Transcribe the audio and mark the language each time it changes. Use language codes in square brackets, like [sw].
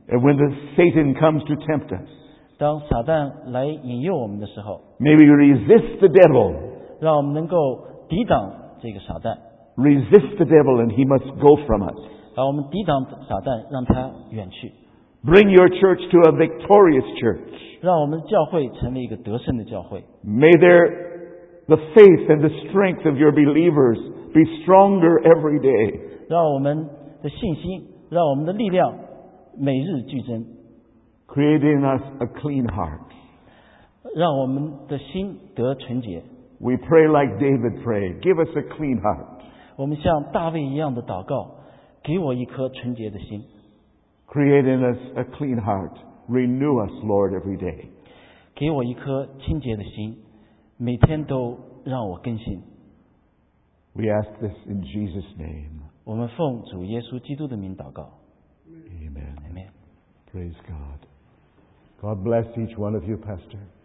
[en] And when the Satan comes to tempt us, [zh] 当撒旦来引诱我们的时候， [en] May we resist the devil. [zh] 让我们能够抵挡这个撒旦。 [en] Resist the devil and he must go from us. [zh] 我们抵挡撒旦，让他远去。 [en] Bring your church to a victorious church. [zh] 让我们教会成为一个得胜的教会。 [en] May the faith and the strength of your believers be stronger every day. [zh] 让我们的信心，让我们的力量每日俱增。 [en] Create in us a clean heart. [zh] 让我们的心得纯洁。 [en] We pray like David prayed. Give us a clean heart. [zh] 我们像大卫一样的祷告，给我一颗纯洁的心。 [en] Create in us a clean heart. Renew us, Lord, every day. [zh] 给我一颗清洁的心，每天都让我更新。 [en] We ask this in Jesus' name. [zh] 我们奉主耶稣基督的名祷告。 [en] Amen. Amen. Praise God. God bless each one of you, Pastor.